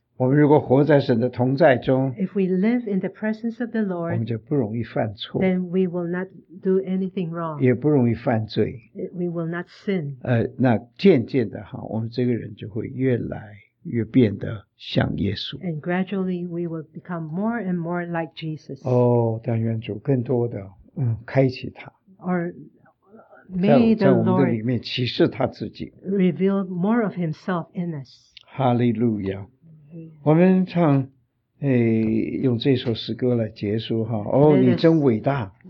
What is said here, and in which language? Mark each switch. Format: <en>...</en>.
<zh>我们如果活在神的同在中</zh> <en>if we live in the presence of the Lord</en> <zh>我们就不容易犯错</zh> <en>then we will not do anything wrong</en> <zh>也不容易犯罪</zh> <en>We will not sin.</en> <zh>那渐渐的哈，我们这个人就会越来越变得像耶稣。</zh> <en>And gradually we will become more and more like Jesus.</en> <zh>哦，但愿主更多的开启他。</zh> <en>Or may the Lord</en> <zh>在我们的里面启示他自己。</zh> <en>Reveal more of Himself in us. Hallelujah.</en> <zh>我们唱用这首诗歌来结束哈。哦，你真伟大。</zh>